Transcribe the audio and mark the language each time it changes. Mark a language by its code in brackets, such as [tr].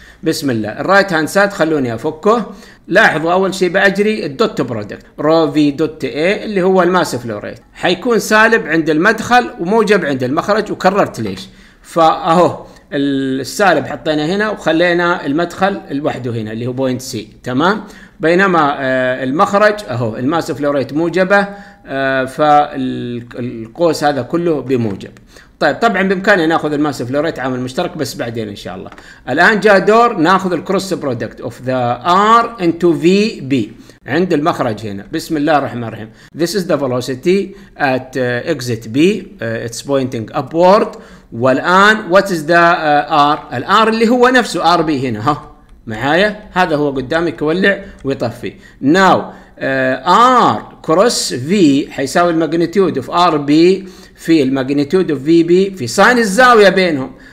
[ar] بسم الله، الرايت هاند سايد خلوني افكه. لاحظوا اول شيء باجري الدوت برودكت رو في دوت اي اللي هو الماس فلوريت، حيكون سالب عند المدخل وموجب عند المخرج، وكررت ليش؟ فاهو السالب حطينا هنا وخلينا المدخل لوحده هنا اللي هو بوينت سي، تمام؟ بينما المخرج اهو الماس فلوريت موجبه، فالقوس هذا كله بموجب. طيب طبعا بامكاننا ناخذ الماس فلوريت عامل مشترك بس بعدين ان شاء الله. الان جاء دور ناخذ [en] الكروس product of the R into V B [ar] عند المخرج هنا. بسم الله الرحمن الرحيم. [en] This is the velocity at exit B. It's pointing upward. [ar] والان [en] what is the R؟ [ar] الار اللي هو نفسه ار بي هنا، ها معايا؟ هذا هو قدامك يولع ويطفي. ناو R كروس V حيساوي الماجنتيود في R B في الماجنتيود في V B في ساين الزاوية بينهم.